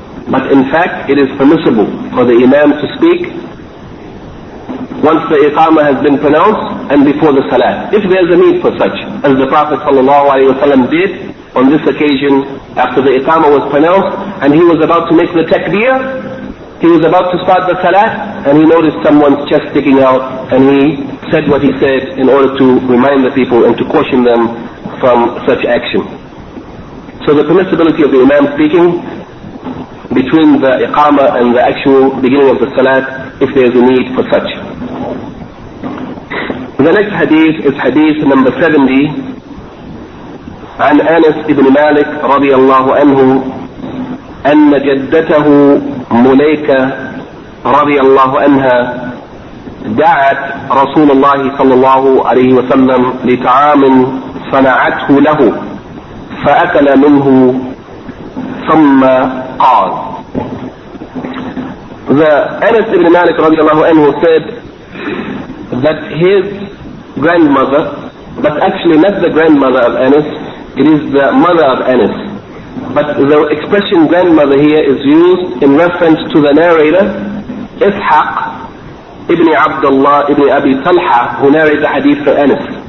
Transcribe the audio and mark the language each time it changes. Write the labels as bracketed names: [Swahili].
[English] But in fact, it is permissible for the imam to speak once the iqama has been pronounced and before the salat, if there is a need for such, as the Prophet sallallahu alaihi wasallam did on this occasion after the iqama was pronounced and he was about to make the takbir, he was about to start the salat and he noticed someone's chest sticking out and he said what he said in order to remind the people and to caution them from such action. So the permissibility of the imam speaking between the iqama and the actual beginning of the salat if there is a need for such. The next hadith is hadith number 70 [Arabic] عن أنس بن مالك رضي الله عنه أن جدته مليكة رضي الله عنها دعت رسول الله صلى الله عليه وسلم لطعام صنعته له فأكل منه ثم قال. [English] أنس بن مالك رضي الله عنه said that his grandmother, but actually not the grandmother of Anas, it is the mother of Anas. But the expression grandmother here is used in reference to the narrator, Ishaq ibn Abdullah ibn Abi Talha, who narrated the hadith for Anas.